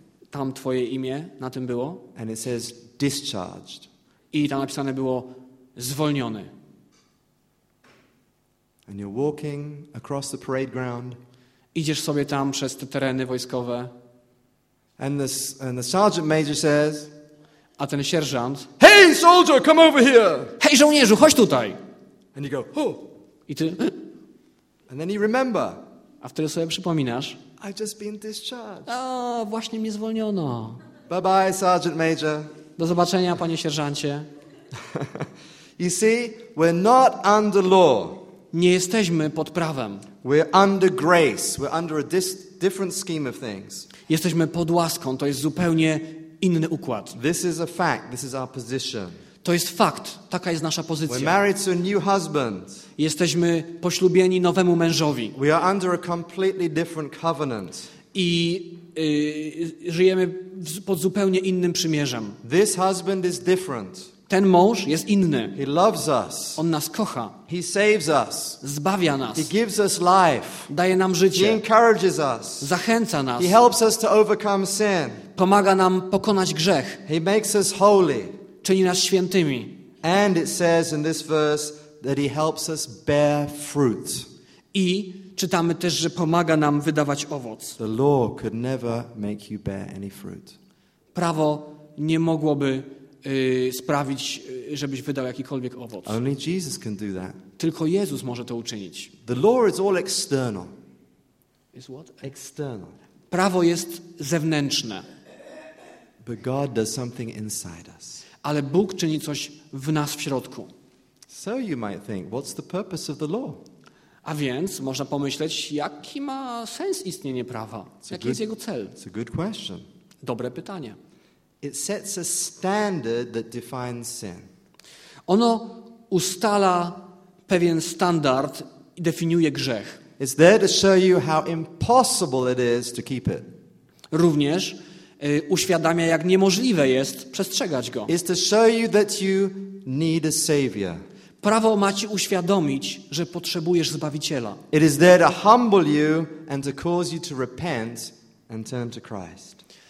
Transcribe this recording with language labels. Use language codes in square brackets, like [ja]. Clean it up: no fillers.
[pl] Tam twoje imię na tym było. [en] And it says discharged. [pl] I tam napisane było zwolniony. [en] And you're walking across the parade ground. [pl] Idziesz sobie tam przez te tereny wojskowe. [en] And the sergeant major says. [pl] A ten sierżant. [en] Hey soldier, come over here. [pl] Hej żołnierzu, chodź tutaj. [en] And you go, oh. [pl] I ty. [en] And then you remember. [pl] A wtedy sobie przypominasz. [en] I've just been discharged. [pl] A, właśnie mnie zwolniono. [en] Bye bye, sergeant major. [pl] Do zobaczenia, panie sierżancie. [en] You see, we're not under law. [pl] Nie jesteśmy pod prawem. [en] We're under grace. We're under a different scheme of things. [pl] Jesteśmy pod łaską. To jest zupełnie inny układ. [en] This is a fact. This is our position. [pl] To jest fakt. Taka jest nasza pozycja. [en] We're married to a new husband. [pl] Jesteśmy poślubieni nowemu mężowi. [en] We are under a completely different covenant. [pl] I żyjemy pod zupełnie innym przymierzem. [en] This husband is different. [pl] Ten mąż jest inny. [en] He loves us. [pl] On nas kocha. [en] He saves us. [pl] Zbawia nas. [en] He gives us life. [pl] Daje nam życie. [en] He encourages us. [pl] Zachęca nas. [en] He helps us to overcome sin. [pl] Pomaga nam pokonać grzech. [en] He makes us holy. [pl] Czyni nas świętymi. [en] And it says in this verse that he helps us bear fruit. [pl] I czytamy też, że pomaga nam wydawać owoc. [en] The law could never make you bear any fruit. [pl] Prawo nie mogłoby sprawić, żebyś wydał jakikolwiek owoc. [en] Only Jesus can do that. [pl] Tylko Jezus może to uczynić. [en] The law is all external. Is what? External. [pl] Prawo jest zewnętrzne. [en] But God does something inside us. [pl] Ale Bóg czyni coś w nas w środku. [en] So you might think, what's the purpose of the law? [pl] A więc można pomyśleć, jaki ma sens istnienie prawa? Jaki jest jego cel? [en] It's a good question. [pl] Dobre pytanie. [en] It sets a standard that defines sin. [pl] Ono ustala pewien standard i definiuje grzech. [en] It's there to show you how impossible it is to keep it. [pl] Również uświadamia, jak niemożliwe jest przestrzegać go. [en] It's to show you that you need a savior. [pl] Prawo ma ci uświadomić, że potrzebujesz Zbawiciela. [en] It is there to humble you and to cause you to repent and turn to Christ.